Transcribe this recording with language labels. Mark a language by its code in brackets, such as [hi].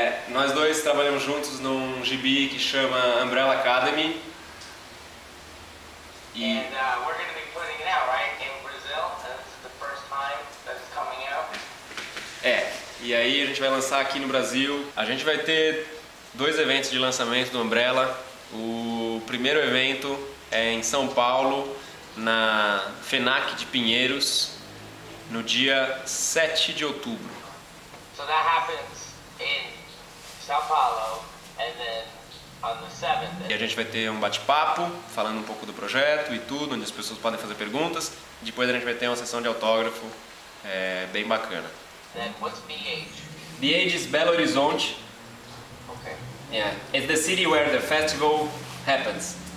[pt] Nós dois trabalhamos juntos num gibi que chama Umbrella Academy. E. [en] And we're going to be putting it out, right? In Brazil, and this is the first time that it's coming out. [pt] E aí a gente vai lançar aqui no Brasil. A gente vai ter dois eventos de lançamento do Umbrella. O primeiro evento é em São Paulo, na FENAC de Pinheiros, no dia 7 de outubro. [en] So that happens in São Paulo, and then on the 7th. [pt] E a gente vai ter um bate-papo falando um pouco do projeto e tudo, onde as pessoas podem fazer perguntas. Depois a gente vai ter uma sessão de autógrafo, bem bacana. [en] Then what's BH? The age is Belo Horizonte. Okay. Yeah, it's the city where the festival happens.